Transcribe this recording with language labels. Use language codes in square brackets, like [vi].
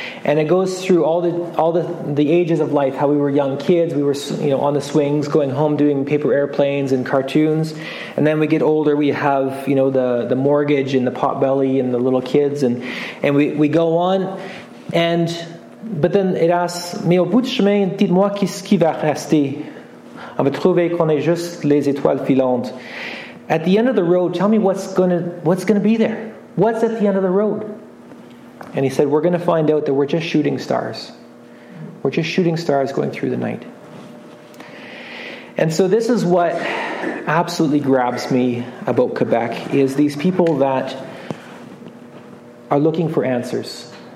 [en] And it goes through all the ages of life, how we were young kids, we were, you know, on the swings, going home doing paper airplanes and cartoons. And then we get older, we have, you know, the mortgage and the pot belly and the little kids, and we go on. And but then it asks, [fr] "Mais au bout du chemin, dites-moi qu'est-ce qui va rester? On va trouver qu'on est juste les étoiles filantes." [en] At the end of the road, tell me what's gonna be there. What's at the end of the road? And he said, "We're going to find out that we're just shooting stars. We're just shooting stars going through the night." And so this is what absolutely grabs me about Quebec, is these people that are looking for answers.